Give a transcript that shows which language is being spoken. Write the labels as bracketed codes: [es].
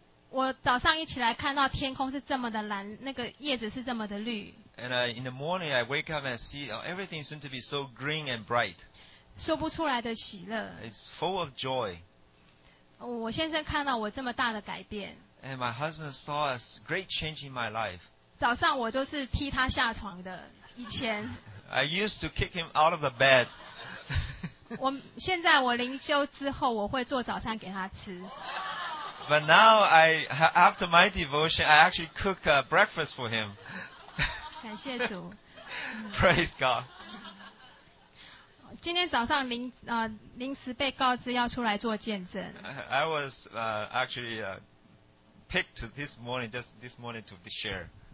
[zh] 我早上一起来看到天空是这么的蓝，那个叶子是这么的绿。 [en] And in the morning, I wake up and see everything seemed to be so green and bright. [zh] 说不出来的喜乐。 [en] It's full of joy. [zh] 我先生看到我这么大的改变。 [en] And my husband saw a great change in my life. [zh] 早上我都是踢他下床的。以前 [en] I used to kick him out of the bed. [zh] 我现在我灵修之后我会做早餐给他吃 [en] But now I after my devotion I actually cook a breakfast for him. [zh] 感谢主 [en] Praise God. [zh] 今天早上临时被告知要出来做见证 [en] I was actually picked this morning just this morning to share.